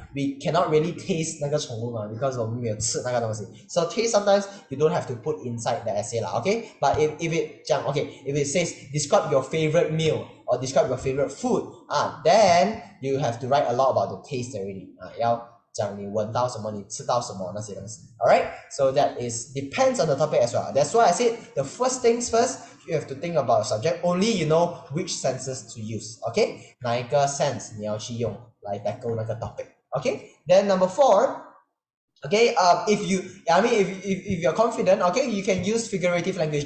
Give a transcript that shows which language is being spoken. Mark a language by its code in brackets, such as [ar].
[en] We cannot really taste [zh] 那个宠物嘛, [en] because [zh] 我们没有吃那个东西. [en] So taste sometimes you don't have to put inside the essay lah, okay? But if it says describe your favorite meal or describe your favorite food, then you have to write a lot about the taste already. [zh] 要讲你闻到什么，你吃到什么那些东西. [en] Alright, so that is depends on the topic as well. That's why I said the first things first, you have to think about a subject. Only you know which senses to use. Okay, [zh] 哪一个 [en] sense [zh] 你要去用来 [en] tackle [zh] 那个 [en] topic. Okay, then number four, okay, if you're confident, okay, you can use figurative language.